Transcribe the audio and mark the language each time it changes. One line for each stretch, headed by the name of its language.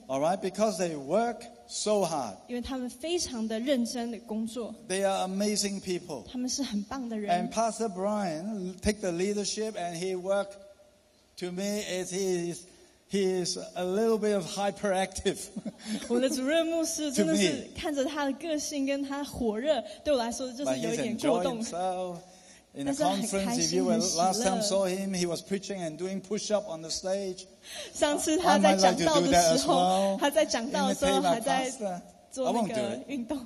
English: All right, because they work. So hard.
Chinese: 因为他们非常的认真的工作。
English: They are amazing people.
Chinese: 他们是很棒的人。
English: And Pastor Brian took the leadership and he worked to me as he is a little bit of hyperactive.
Chinese: 我的主任牧师真的是看着他的个性跟他火热，对我来说就是有点过动。
English: But he's enjoying himself. In a conference, if you were last time saw him, he was preaching and doing push-up on the stage.
Chinese: 上次他在讲道的时候，他在讲道的时候还在做那个运动。